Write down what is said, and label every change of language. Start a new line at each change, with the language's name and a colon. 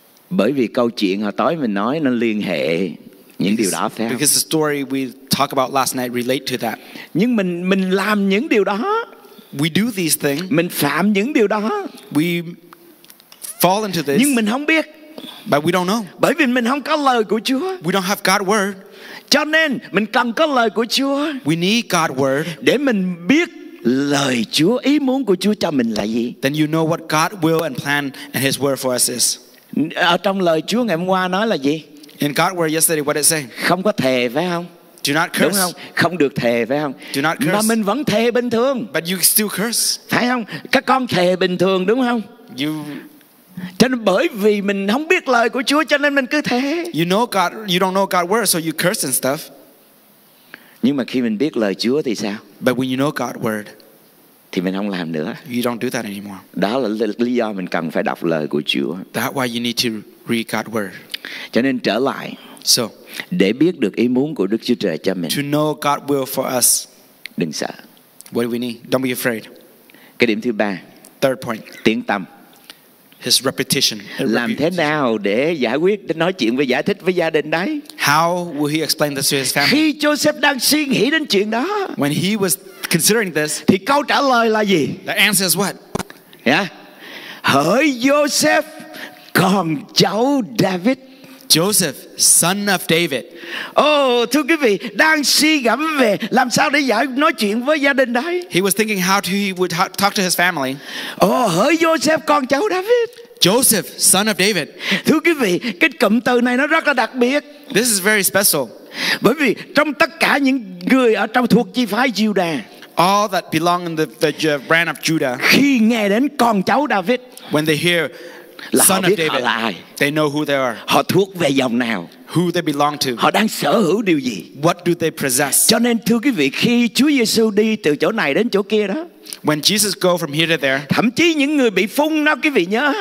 Vietnamese: Bởi vì câu chuyện hồi tối mình nói nó liên hệ những điều đó phải không?
English: Because the story we talked about last night relate to that.
Vietnamese: Nhưng mình làm những điều đó.
English: We do these things.
Vietnamese: Mình phạm những điều đó.
English: We fall into this.
Vietnamese: Nhưng mình không biết.
English: But we don't know.
Vietnamese: Bởi vì mình không có lời của Chúa.
English: We don't have God's word.
Vietnamese: Cho nên mình cần có lời của Chúa.
English: We need God's word.
Vietnamese: Để mình biết lời Chúa, ý muốn của Chúa cho mình là gì.
English: Then you know what God's will and plan and His word for us is.
Vietnamese: Ở trong lời Chúa ngày hôm qua nói là gì?
English: In God's word yesterday, what did it say?
Vietnamese: Không có thề phải không?
English: Do not curse.
Vietnamese: Đúng không? Không được thề phải không?
English: Do not curse.
Vietnamese: Mà mình vẫn thề bình thường.
English: But you still curse.
Vietnamese: Phải không? Các con thề bình thường đúng không?
English: You.
Vietnamese: Cho nên bởi vì mình không biết lời của Chúa cho nên mình cứ thế.
English: You know God, you don't know God's word, so you curse and stuff.
Vietnamese: Nhưng mà khi mình biết lời Chúa thì sao?
English: But when you know God's word,
Vietnamese: thì mình không làm nữa.
English: You don't do that anymore.
Vietnamese: Đó là lý do mình cần phải đọc lời của Chúa.
English: That's why you need to read God's word.
Vietnamese: Cho nên trở lại.
English: So,
Vietnamese: để biết được ý muốn của Đức Chúa Trời cho mình.
English: To know God's will for us.
Vietnamese: Đừng sợ.
English: What do we need? Don't be afraid.
Vietnamese: Cái điểm thứ ba.
English: Third point.
Vietnamese: Tiếng tâm.
English: His repetition.
Vietnamese: Làm thế nào để giải quyết, để nói chuyện với, giải thích với gia đình đấy?
English: How will he explain this to his family?
Vietnamese: Khi Joseph đang suy nghĩ đến chuyện đó.
English: When he was considering this.
Vietnamese: Thì câu trả lời là gì?
English: The answer is what?
Vietnamese: Yeah. Hỡi Joseph, con cháu David.
English: Joseph, son of David.
Vietnamese: Oh, thưa quý vị, đang suy ngẫm về làm sao để giải nói chuyện với gia đình đấy.
English: He was thinking how he would talk to his family.
Vietnamese: Oh, hỡi Joseph, con cháu David.
English: Joseph, son of David.
Vietnamese: Thưa quý vị, cái cụm từ này nó rất là đặc biệt.
English: This is very special.
Vietnamese: Bởi vì trong tất cả những người ở trong thuộc chi phái Giuđa.
English: All that belong in the brand of Judah.
Vietnamese: Khi nghe đến con cháu David.
English: When they hear son of David, they know who they are.
Vietnamese: Họ thuộc về dòng nào?
English: Who they belong to?
Vietnamese: Họ đang sở hữu điều gì?
English: What do they possess?
Vietnamese: Cho nên thưa quý vị, khi Chúa Giêsu đi từ chỗ này đến chỗ kia đó,
English: when Jesus go from here to there,
Vietnamese: thậm chí những người bị phun đó quý vị nhớ,